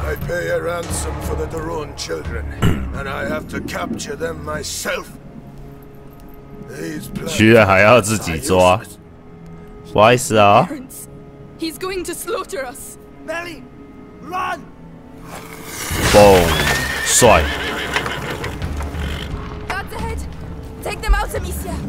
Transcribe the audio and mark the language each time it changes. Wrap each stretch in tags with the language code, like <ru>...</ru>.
<en>I pay a ransom for the Daron children, and I have to capture them myself. These plans.</en> <zh>居然还要自己抓，不好意思啊。</zh> <en>He's going to slaughter us. Melly, run!</en> <zh>Boom, 帅。</zh> <en>Guards ahead, take them out, Amicia.</en>